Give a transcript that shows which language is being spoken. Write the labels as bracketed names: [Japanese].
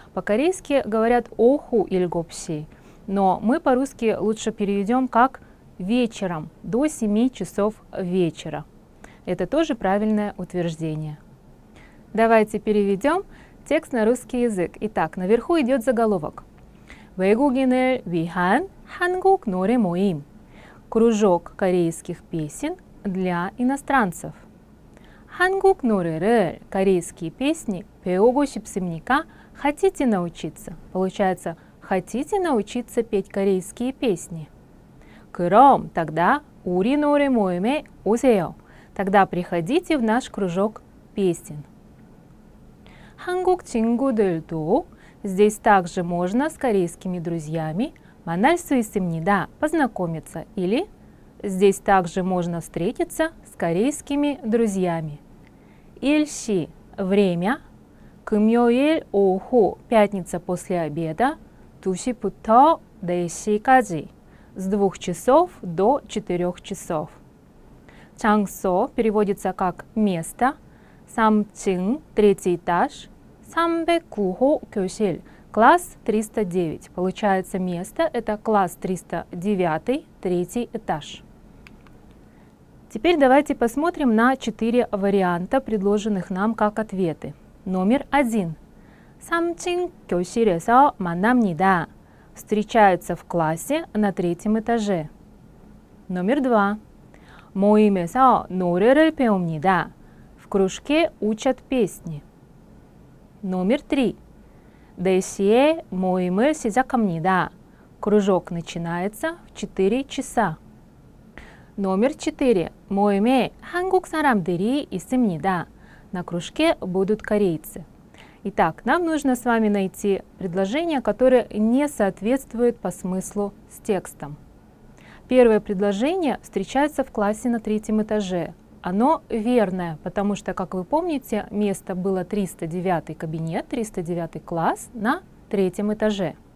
[Russian] По-корейски говорят «оху ильгопси», но мы по-русски лучше переведем как «вечером», до 7 часов вечера. Это тоже правильное утверждение. Давайте переведем текст на русский язык. Итак, наверху идет заголовок. [Korean] 외국인을 위한 한국 노래 모임. [Russian] Кружок корейских песен для иностранцев. [Korean] 한국 노래를, [Russian] корейские песни, [Korean] 배우고 싶습니까? [Russian] Хотите научиться? Получается, хотите научиться петь корейские песни? [Korean] 그럼, [Russian] тогда [Korean] 우리 노래 모임에 오세요. [Russian] Тогда приходите в наш кружок песен. [Korean] 한국 친구들도 [Russian] здесь также можно с корейскими друзьями [Korean] 만날 수 있습니다. [Russian] Познакомиться. Или здесь также можно встретиться с корейскими друзьями. [Korean] 일시 [Russian] время. [Korean] 금요일 오후 [Russian] пятница после обеда [Korean] 2시부터 4시까지 [Russian] с 2 часов до 4 часов. [Korean] 장소 [Russian] переводится как место. [Korean] 3층 [Russian] третий этаж [Korean] 309호 교실 [Russian] класс 309. Получается место это класс 309 третий этаж. Теперь давайте посмотрим на 4 варианта предложенных нам как ответы. [Korean] Номер 1. 3층 교실에서 만납니다. [Russian] Встречается в классе на третьем этаже. Номер 2. [Korean] 모임에서 노래를 배웁니다. [Russian] В кружке учат песни. Номер 3. [Korean] 4시에 모임을 시작합니다. [Russian] Кружок начинается в 4 часа. Номер 4. [Korean] 모임에 한국 사람들이 있습니다. [Russian] На кружке будут корейцы. Итак, нам нужно с вами найти предложение, которое не соответствует по смыслу с текстом. Первое предложение встречается в классе на третьем этаже. Оно верное, потому что, как вы помните, место было 309 кабинет, 309 класс на третьем этаже.